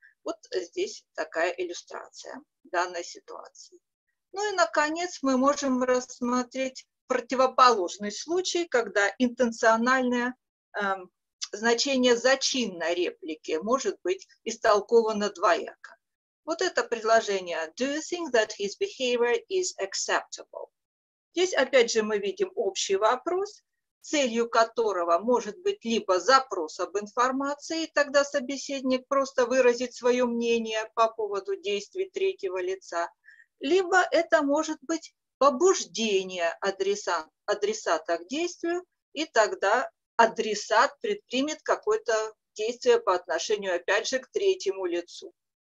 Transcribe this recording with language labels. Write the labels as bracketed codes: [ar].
[ru] Вот здесь такая иллюстрация данной ситуации. Ну и, наконец, мы можем рассмотреть противоположный случай, когда интенциональное значение зачинной реплики может быть истолковано двояко. Вот это предложение [en] «Do you think that his behavior is acceptable?» [ru] Здесь, опять же, мы видим общий вопрос, целью которого может быть либо запрос об информации, тогда собеседник просто выразит свое мнение по поводу действий третьего лица, либо это может быть побуждение адресата к действию, и тогда адресат предпримет какое-то действие по отношению, опять же, к третьему лицу.